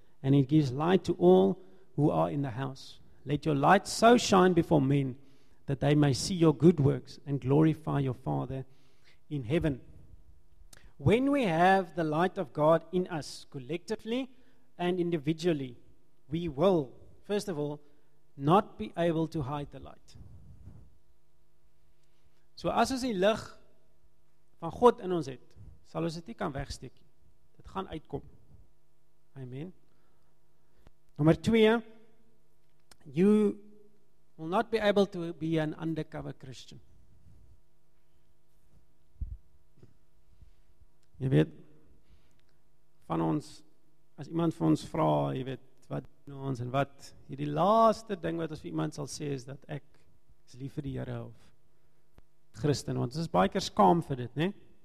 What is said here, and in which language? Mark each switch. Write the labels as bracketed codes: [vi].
[en] And it gives light to all who are in the house. Let your light so shine before men that they may see your good works and glorify your Father in heaven. When we have the light of God in us, collectively and individually, we will, first of all, not be able to hide the light. [af] So as ons die lig van God in ons het, sal ons dit nie kan wegsteek. Dit gaan uitkom. Amen. [en] Number 2, you will not be able to be an undercover Christian. [af] Jy weet, van ons, as iemand vir ons vra, jy weet, wat nou ons en wat, hierdie laaste ding wat ons vir iemand sal sê is dat ek is lief vir die Here of Christen, want ons is baie keer skaam vir dit, nee?